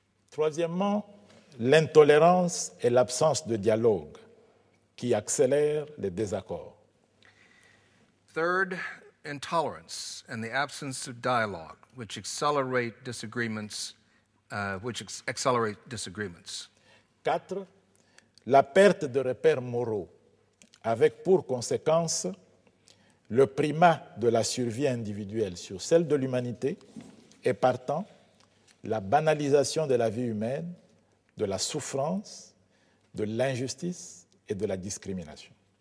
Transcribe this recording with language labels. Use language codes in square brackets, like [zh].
[fr] Troisièmement, l'intolérance et l'absence de dialogue qui accélèrent les désaccords. [en] Third, intolerance and the absence of dialogue, which accelerate disagreements. [fr] Quatre, la perte de repères moraux, avec pour conséquence le primat de la survie individuelle sur celle de l'humanité et partant la banalisation de la vie humaine, de la souffrance, de l'injustice et de la discrimination.